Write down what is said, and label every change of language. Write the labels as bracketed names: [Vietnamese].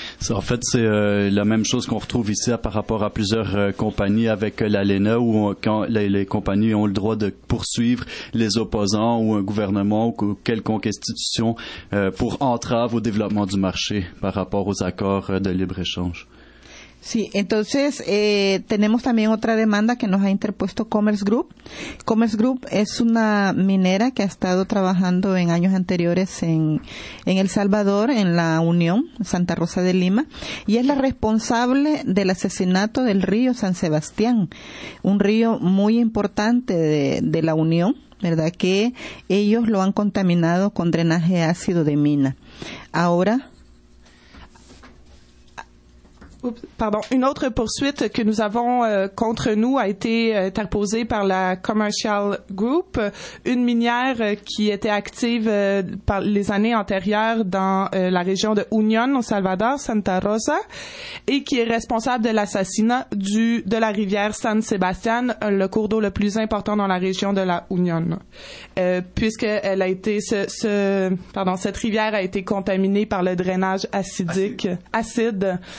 [French] En fait, c'est la même chose qu'on retrouve ici par rapport à plusieurs compagnies avec l'ALENA où les compagnies ont le droit de poursuivre les opposants ou un gouvernement ou quelconque institution pour entrave au développement du marché par rapport aux accords de libre-échange. [Spanish] Sí, entonces tenemos también otra demanda que nos ha interpuesto Commerce Group. Commerce Group es una minera que ha estado trabajando en años anteriores en El Salvador, en la Unión, Santa Rosa de Lima, y es la responsable del asesinato del río San Sebastián, un río muy importante de la Unión, ¿verdad? Que ellos lo han contaminado con drenaje ácido de mina. Ahora... [French] Pardon. Une autre poursuite que nous avons contre nous a été interposée par la Commercial Group, une minière qui était active par les années antérieures dans la région de Union, au Salvador, Santa Rosa, et qui est responsable de l'assassinat de la rivière San Sebastián, le cours d'eau le plus important dans la région de la Union, puisqu'elle a été cette rivière a été contaminée par le drainage acide.